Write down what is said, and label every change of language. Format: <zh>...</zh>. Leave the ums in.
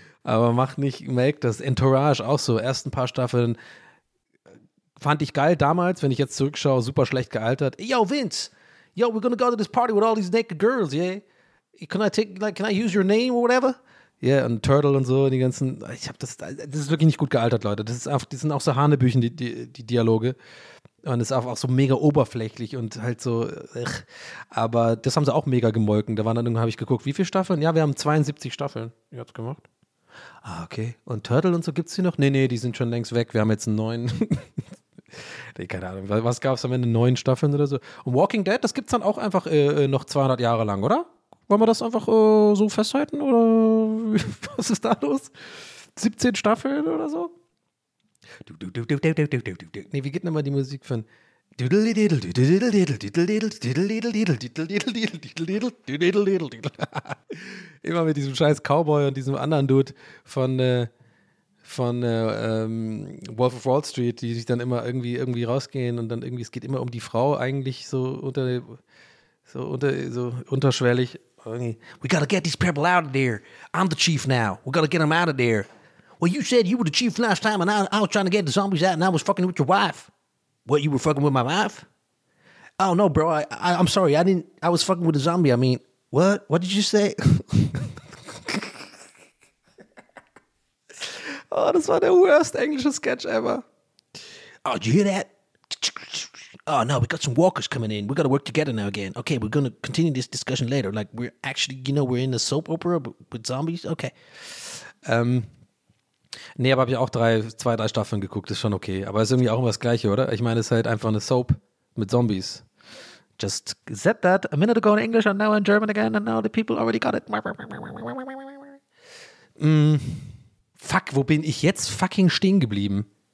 <de>Aber mach nicht, melk das. Entourage auch so. Ersten paar Staffeln fand ich geil damals, wenn ich jetzt zurückschaue, super schlecht gealtert.</de> <en>Yo, Vince! Yo, we're gonna go to this party with all these naked girls, yeah? Can I take, like, can I use your name or whatever?</en> <de>Ja, yeah, und Turtle und so, die ganzen, ich habe das, das ist wirklich nicht gut gealtert, Leute. Das ist auch, die sind auch so Hanebüchen, die, die, die Dialoge. Und ist auch, auch so mega oberflächlich und halt so, äh, aber das haben sie auch mega gemolken. Da waren dann, habe ich geguckt, wie viele Staffeln? Ja, wir haben 72 Staffeln jetzt gemacht. Ah, okay. Und Turtle und so gibt's die noch? Nee, nee, die sind schon längst weg. Wir haben jetzt einen neuen. nee, keine Ahnung. Was was gab's am Ende? Neun Staffeln oder so? Und Walking Dead, das gibt's dann auch einfach äh, äh, noch 200 Jahre lang, oder? Wollen wir das einfach äh, so festhalten oder was ist da los? 17 Staffeln oder so? Du, du, du, du, du, du, du, du, du, du. Nee, wie geht denn mal die Musik von Düdeldidel, düdeldidel, düdeldidel, düdeldidel, düdeldidel, düdeldidel, düdeldidel, düdeldidel. Immer mit diesem scheiß Cowboy und diesem anderen Dude von, äh, von äh, ähm, Wolf of Wall Street, die sich dann immer irgendwie, irgendwie rausgehen und dann irgendwie, es geht immer um die Frau eigentlich so unter, so unter, so unterschwellig. Irgendwie,</de> <en>We gotta get these people out of there. I'm the chief now. We gotta get them out of there. Well, you said you were the chief last time and I, I was trying to get the zombies out and I was fucking with your wife. What, you were fucking with my wife? Oh no, bro. I, I I'm sorry. I didn't. I was fucking with a zombie. I mean, what? What did you say?</en> <de>oh, das war der worst englische Sketch ever.</de> <en>Oh, did you hear that? Oh no, we got some walkers coming in. We got to work together now again. Okay, we're gonna continue this discussion later. Like we're actually, you know, we're in a soap opera but with zombies. Okay.</en> <de>Ähm, nee, aber habe ich auch drei, zwei, drei Staffeln geguckt. Ist schon okay. Aber ist irgendwie auch immer das Gleiche, oder? Ich meine, es ist halt einfach eine Soap mit Zombies.</de> <en>Just said that a minute ago in English and now in German again and now the people already got it.</en> <de>Mm, fuck, wo bin ich jetzt fucking stehen geblieben?</de>